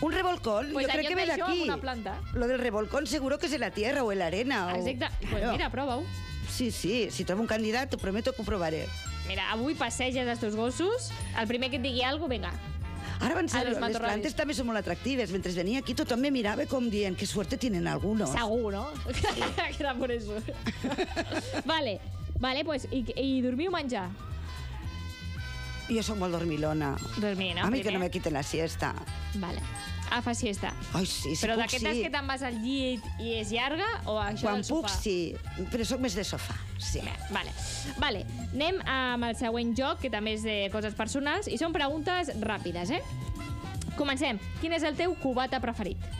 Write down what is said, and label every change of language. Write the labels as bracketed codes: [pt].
[es] Un revolcón, pues [ca] jo crec que ve d'aquí. [es] Pues una planta. Lo del revolcón seguro que és en la tierra o en l'arena. O... [ca] Exacte, pues mira, prova-ho. Sí, sí, si trobo un candidat, [es] te prometo [ca] que ho provaré. Mira, avui passeges els teus gossos, el primer que et digui alguna cosa, vinga. Ara, en serio, les plantes també són molt atractives. Mentre venia aquí, tothom me mirava com dient [es] que suerte tienen algunos. Segur, no? Sí. Era por eso. Vale. [ca] Vale, pues, i dormir o menjar? Jo sóc molt dormilona. Dormir, no? [es] A mi que no me quiten la siesta. [ca] Vale. Ah, fa siesta. Ai, sí, sí. Però d'aquestes sí. Que te'n vas al llit i és llarga o això quan del sofà? Quan puc, sí. Però sóc més de sofà, sí. Vale. Vale. Anem amb el següent joc, que també és de coses personals, i són preguntes ràpides, eh? Comencem. Quin és el teu cubata preferit?